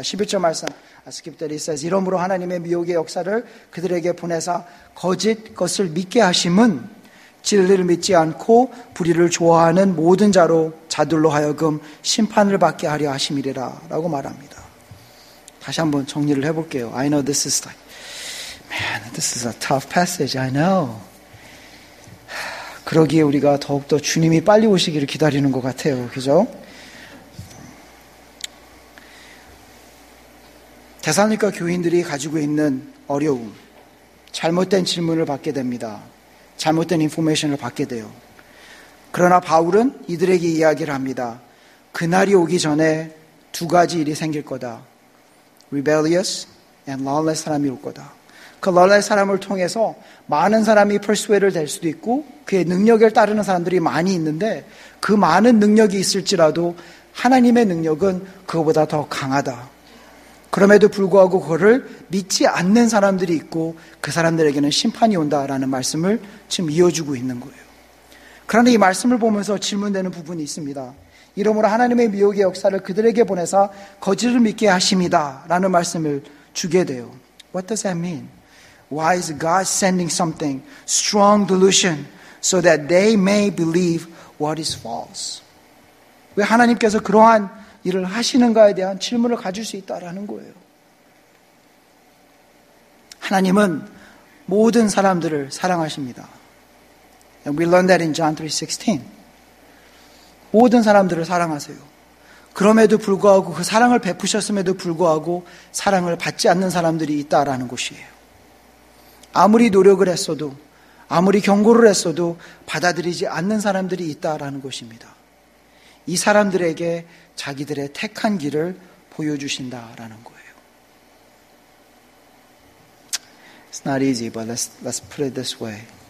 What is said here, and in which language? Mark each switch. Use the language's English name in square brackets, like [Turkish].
[Korean] 11절 말씀, [English] skip that it says, [Korean] 이러므로 하나님의 미혹의 역사를 그들에게 보내사 거짓 것을 믿게 하심은 진리를 믿지 않고 불의를 좋아하는 모든 자들로 하여금 심판을 받게 하려 하심이리라 라고 말합니다. 다시 한번 정리를 해볼게요. [English] I know this is like, man, this is a tough passage, I know. [Korean] 그러기에 우리가 더욱더 주님이 빨리 오시기를 기다리는 것 같아요. 그죠? 데살로니가 교인들이 가지고 있는 어려움, 잘못된 질문을 받게 됩니다. 잘못된 인포메이션을 받게 돼요. 그러나 바울은 이들에게 이야기를 합니다. 그날이 오기 전에 두 가지 일이 생길 거다. Rebellious and lawless 사람이 올 거다. 그 lawless 사람을 통해서 많은 사람이 persuaded 될 수도 있고 그의 능력을 따르는 사람들이 많이 있는데 그 많은 능력이 있을지라도 하나님의 능력은 그거보다 더 강하다. 그럼에도 불구하고 그를 믿지 않는 사람들이 있고 그 사람들에게는 심판이 온다라는 말씀을 지금 이어주고 있는 거예요. 그런데 이 말씀을 보면서 질문되는 부분이 있습니다. 이러므로 하나님의 미혹의 역사를 그들에게 보내사 거짓을 믿게 하십니다 라는 말씀을 주게 돼요. [English] What does that mean? Why is God sending something strong delusion so that they may believe what is false? [Korean] 왜 하나님께서 그러한 일을 하시는가에 대한 질문을 가질 수 있다라는 거예요. 하나님은 모든 사람들을 사랑하십니다. [English] And we learned that in John 3:16. [Korean] 모든 사람들을 사랑하세요. 그럼에도 불구하고 그 사랑을 베푸셨음에도 불구하고 사랑을 받지 않는 사람들이 있다라는 것이에요. 아무리 노력을 했어도 아무리 경고를 했어도 받아들이지 않는 사람들이 있다라는 것입니다. 이 사람들에게 자기들의 택한 길을 보여주신다라는 거예요. [English] It's not easy, but let's put it this way.